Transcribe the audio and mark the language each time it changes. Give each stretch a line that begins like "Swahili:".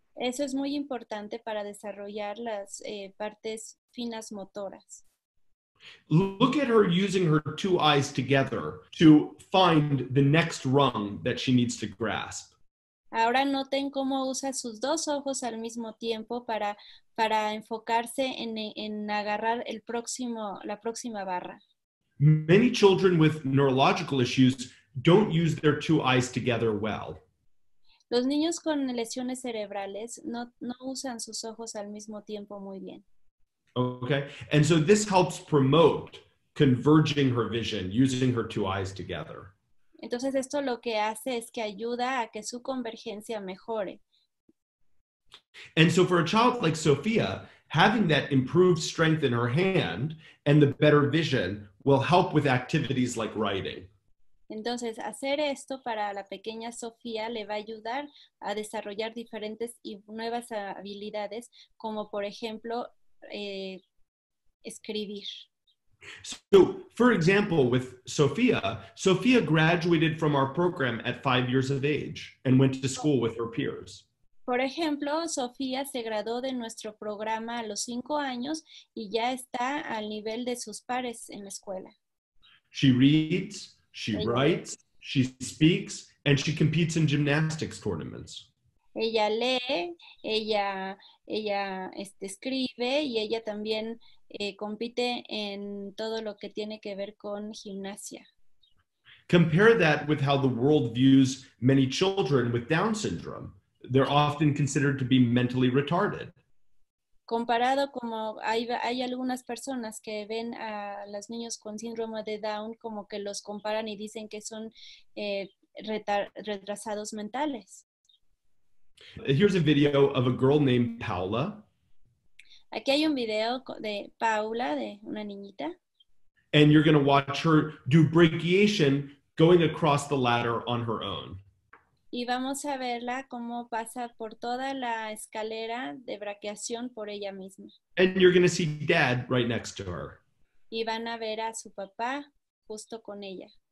Spanish: Eso es muy importante para desarrollar las partes finas motoras.
English: Look at her using her two eyes together to find the next rung that she needs to grasp.
Spanish: Ahora noten cómo usa sus dos ojos al mismo tiempo para enfocarse en agarrar la próxima barra.
English: Many children with neurological issues don't use their two eyes together well.
Spanish: Los niños con lesiones cerebrales no usan sus ojos al mismo tiempo muy bien.
English: Okay, and so this helps promote converging her vision using her two eyes together.
Spanish: Entonces esto lo que hace es que ayuda a que su convergencia mejore.
English: And so for a child like Sophia, having that improved strength in her hand and the better vision will help with activities like writing.
Spanish: Entonces hacer esto para la pequeña Sofía le va a ayudar a desarrollar diferentes y nuevas habilidades, como por ejemplo escribir.
English: So, for example, with Sophia, Sophia graduated from our program at 5 years of age and went to school with her peers.
Spanish: Por ejemplo, Sofía se graduó de nuestro programa a los 5 años y ya está al nivel de sus pares en la escuela.
English: She reads, she writes, she speaks, and she competes in gymnastics tournaments.
Spanish: Ella lee, ella escribe y ella también compite en todo lo que tiene que ver con gimnasia.
English: Compare that with how the world views many children with Down syndrome. They're often considered to be mentally retarded.
Spanish: comparado como hay algunas personas que ven a los niños con síndrome de Down como que los comparan y dicen que son retrasados mentales.
English: Here's a video of a girl named Paula.
Spanish: Aquí hay un video de Paula, de una niñita.
English: And you're going to watch her do brachiation going across the ladder on her own.
Spanish: Y vamos a verla cómo pasa por toda la escalera de brachiación por ella misma.
English: And you're going to see Dad right next to her.
Spanish: Y van a ver a su papá justo con ella.